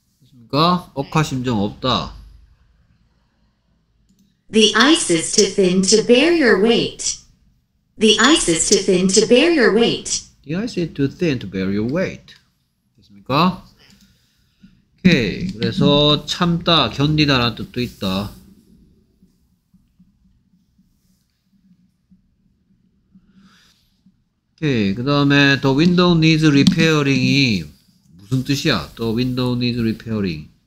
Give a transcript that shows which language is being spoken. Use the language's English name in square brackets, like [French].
[Korean] 그러니까 억하심정 없다. [English] The ice is too thin to bear your weight. The ice is too thin to bear your weight. The ice is too thin to bear your weight. [Korean] 됐습니까? 오케이. 그래서 참다, 견디다라는 뜻도 있다. 오케이. 그 다음에 [English] The window needs repairing [Korean] 이 무슨 뜻이야? [English] The window needs repairing.